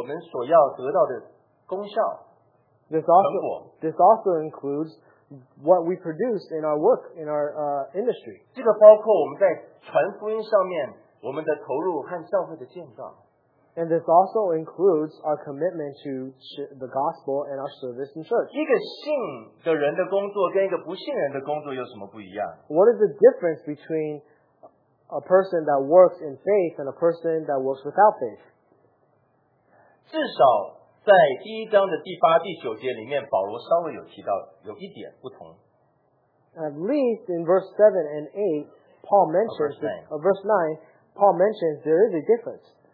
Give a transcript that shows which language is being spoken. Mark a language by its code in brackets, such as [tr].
[zh] 这个包括我们在工作上面，我们所要得到的功效。 [en] This also includes what we produce in our work in our industry. [zh] 这个包括我们在传福音上面我们的投入和教会的建造。 [en] And this also includes our commitment to the gospel and our service in church. [zh] 一个信的人的工作跟一个不信人的工作有什么不一样？ [en] What is the difference between a person that works in faith and a person that works without faith? [zh] 至少在第一章的第八、第九节里面，保罗稍微有提到有一点不同。 [en] At least in verse 7 and 8, Paul mentions, verse 9, Paul mentions there is a difference.